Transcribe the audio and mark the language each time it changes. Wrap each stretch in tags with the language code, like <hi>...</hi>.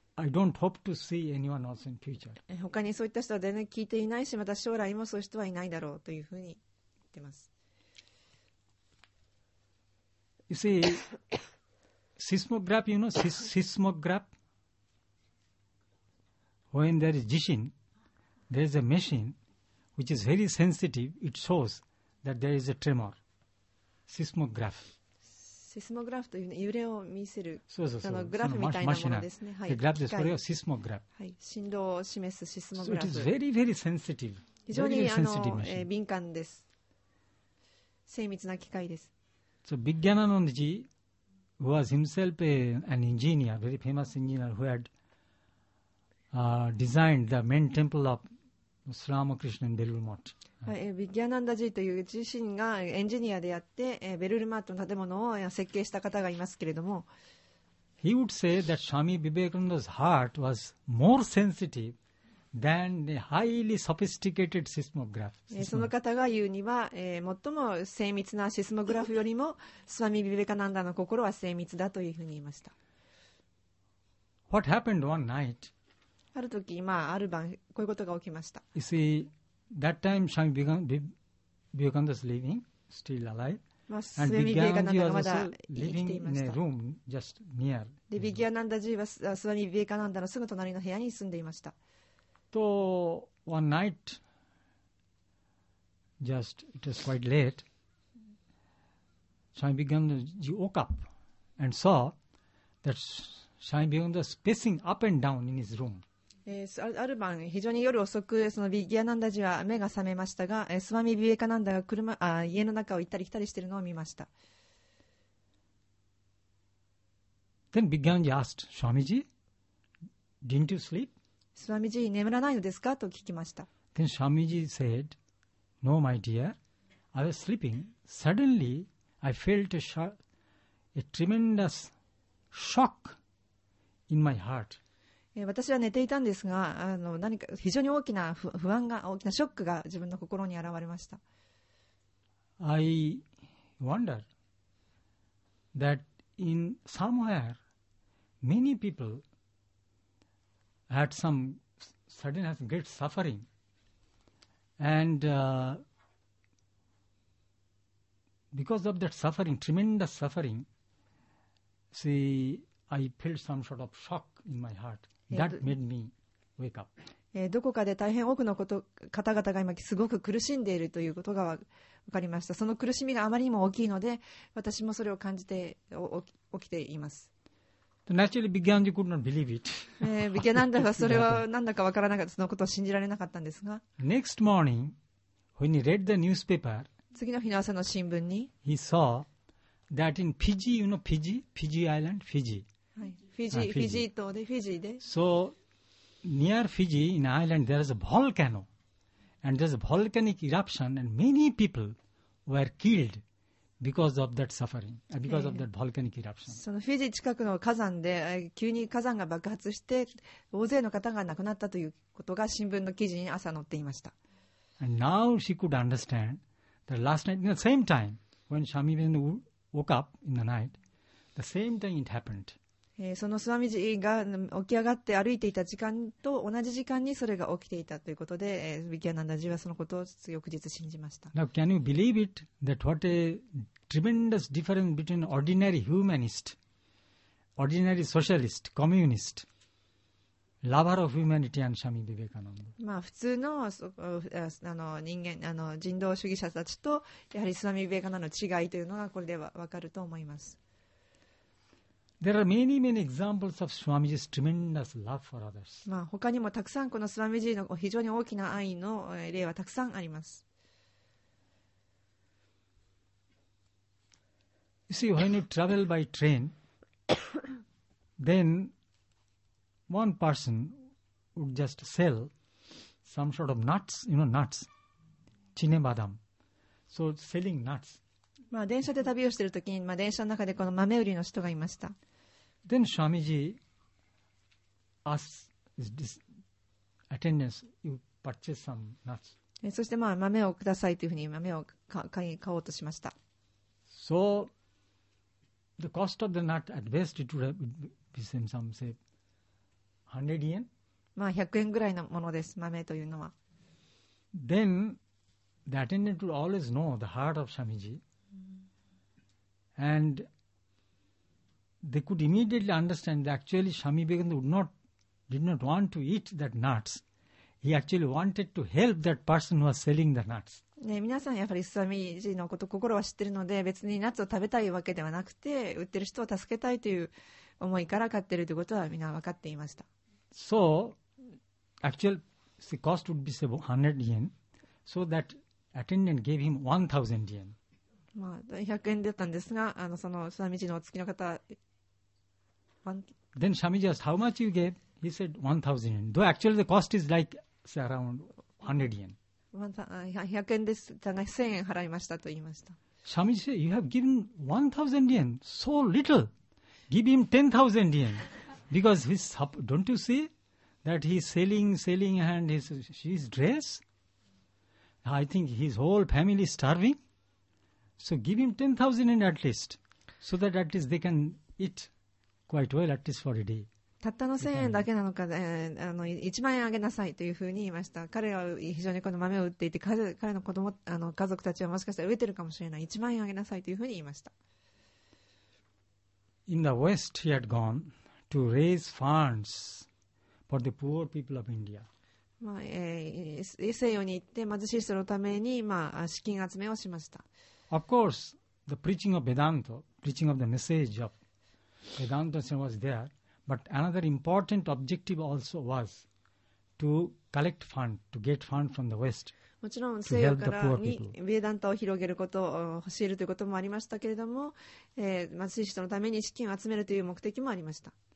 <en>I don't hope to see anyone else in future.</en> <ja>他にそういった人は全然聞いていないし、また将来もそういう人はいないだろうというふうに言ってます。</ja> <en>You see, seismograph, you know, seismograph? When there is jishin, there is a machine which is very sensitive. It shows that there is a tremor. Seismograph.</en> <ja>セスモグラフという揺れを見せる、そうグラフみたいなものですね。はい、グラフです。これはセスモグラフ。はい、振動を示すセスモグラフ。</ja> <en>So、it is very, very sensitive.</en> <ja>非常に</ja> <en>very, very sensitive machine.</en> <ja>敏感です。精密な機械です。</ja> <en>So, Vijñānānanda ji was himself an engineer, very famous engineer who had designed the main temple of Sri Ramakrishna in Belur Mutt.</en> <ja>はい、ビッギャナンダジーという自身がエンジニアであって、ベルルマットの建物を設計した方がいますけれども、</ja> <en>He would say that Swami Vivekananda's heart was more sensitive than the highly sophisticated seismograph.</en> <ja>その方が言うには、最も精密なシスモグラフよりも、スワミ・ビベカナンダの心は精密だというふうに言いました。</ja> <en>What happened one night?</en> <ja>ある時、まあ、ある晩、こういうことが起きました。</ja> <en>You see,That time, Swami Vivekananda was living, still alive. And Vijñānanda was also living in a room just near.</en> <ja>Vijñānanda ji was Swami Vivekananda のすぐ隣の部屋に住んでいました。</ja> <en>So one night, just it was quite late, Swami Vivekananda ji woke up and saw that Swami Vivekananda was pacing up and down in his room.</en> <ja>ある晩非常に夜遅くそのビギアナンダジは目が覚めましたが、スワミビベカナンダが家の中を行ったり来たりしているのを見ました。</ja> <en>Then Vijñānanda asked Swamiji, "Didn't you sleep?"</en> <ja>スワミジ眠らないのですかと聞きました。</ja> <en>Then Swamiji said, "No, my dear, I was sleeping. Suddenly, I felt a tremendous shock in my heart."</en> <ja>私は寝ていたんですが、何か非常に大きな不安が、大きなショックが自分の心に現れました。</ja> <en>I wonder that in somewhere many people had some sudden great suffering And because of that suffering, tremendous suffering, see, I felt some sort of shock in my heart. That made me wake up.</en> <ja>どこかで大変多くのこと方々が今すごく苦しんでいるということが分かりました。その苦しみがあまりにも大きいので、私もそれを感じて起きています。</ja> <en>Naturally, Vigyananda could not believe it.</en> <ja>Vigyananda はそれは何だか分からなかった、そのことを信じられなかったんですが。</ja> <en>Next morning, when he read the newspaper,</en> <ja>次の日の朝の新聞に、</ja> <en>he saw that in Fiji, you know Fiji? Fiji Island? Fiji.</en> <ja>Fiji島で、Fiji で。</ja> <en>So, near Fiji, in island, there is a volcano. And there is a volcanic eruption, and many people were killed. Because of that suffering, because of that volcanic eruption.</en> <ja>そのフィジー近くの火山で急に火山が爆発して大勢の方が亡くなったということが新聞の記事に朝載っていました。</ja> <en>And now she could understand that last night, in the same time when Swami Vivekananda woke up in the night, the same thing it happened.</en> <ja>そのスワミジーが起き上がって歩いていた時間と同じ時間にそれが起きていたということで、ビキャナンダジーはそのことを翌日信じました。</ja> <en>Now, can you believe it that what a tremendous difference between ordinary humanist, ordinary socialist, communist, lover of humanity and Swami Vivekananda?</en> <ja>まあ普通の、人間、人道主義者たちとやはりスワミ・ビベカナンダの違いというのがこれでは分かると思います。</ja> <en>There are many, many examples of Swamiji's tremendous love for others.</en> <ja>まあ他にもたくさんこのスワミジーの非常に大きな愛の例はたくさんあります。</ja> <en>You see, when you travel by train, then one person would just sell some sort of nuts, you know, nuts, chine badam. So selling nuts.</en> <ja>まあ電車で旅をしているときに、まあ電車の中でこの豆売りの人がいました。</ja> <en>Then Swamiji asks his attendants, "You purchase some nuts."</en> <ja>そしてまあ豆をくださいというふうに豆を買おうとしました。</ja> <en>So the cost of the nut at best it would have been some say 100 yen.</en> <ja>まあ100円ぐらいのものです豆というのは。</ja> <en>Then the attendant would always know the heart of Swamiji, and they could immediately understand that actually Swami Vivekananda did not want to eat that nuts. He actually wanted to help that person who was selling the nuts.</en> <ja>ね、皆さんやっぱりスワミジのこと心は知ってるので、別にナッツを食べたいわけではなくて、売ってる人を助けたいという思いから買ってるということはみんな分かっていました。</ja> <en>So, actual the cost would be 100 yen. So that attendant gave him 1000 yen.</en> <ja>まあ、100円だったんですが、そのスワミジのお付きの方、</ja> <en>Then Swamiji asked, "How much you gave?" He said, "1000 yen." Though actually the cost is like say around 100 yen.</en> <ja>100円です。だが1000円払いましたと言いました。</ja> <en>Swamiji said, "You have given 1000 yen, so little. Give him 10,000 yen, because he's don't you see that he's selling and his dress. I think his whole family is starving." So give him 10,000 yen at least, so that at least they can eat quite well at least for a day.</en> <ja>たったの1000円だけなのか、1万円あげなさいというふうに言いました。彼は非常にこの豆を売っていて、彼の子供、家族たちはもしかしたら飢えてるかもしれない。 1万円あげなさいというふうに言いました。</ja> <en>In the West, he had gone to raise funds for the poor people of India.</en> <ja>まあ西洋に行って貧しい人のために、まあ、資金集めをしました。</ja> <en>Of course, the preaching of Vedanta, preaching of the message of Vedanta was there, but another important objective also was to collect fund, to get fund from the West to help the poor people.</en> <ja>もちろん西洋からにVedantaを広げることを教えるということもありましたけれども、貧しい人のために資金を集めるという目的もありました。</ja>